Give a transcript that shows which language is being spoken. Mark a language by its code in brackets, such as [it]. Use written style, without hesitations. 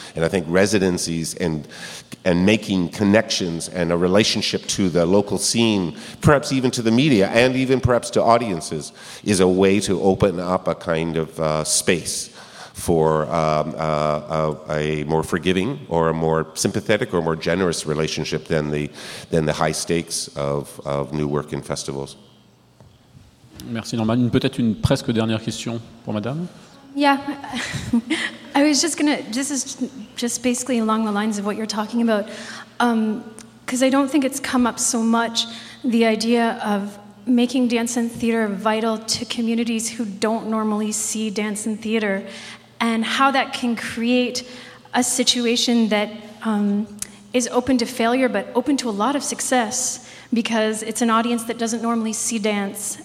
[en] And I think residencies and making connections and a relationship to the local scene, perhaps even to the media and even perhaps to audiences, is a way to open up a kind of space for a more forgiving or a more sympathetic or more generous relationship than the high stakes of new work in festivals. [fr] Merci Norman. Peut-être une presque dernière question pour Madame. [en] Yeah, I was just gonna. This is just basically along the lines of what you're talking about, because I don't think it's come up so much, the idea of making dance and theater vital to communities who don't normally see dance and theater, and how that can create a situation that is open to failure, but open to a lot of success, because it's an audience that doesn't normally see dance.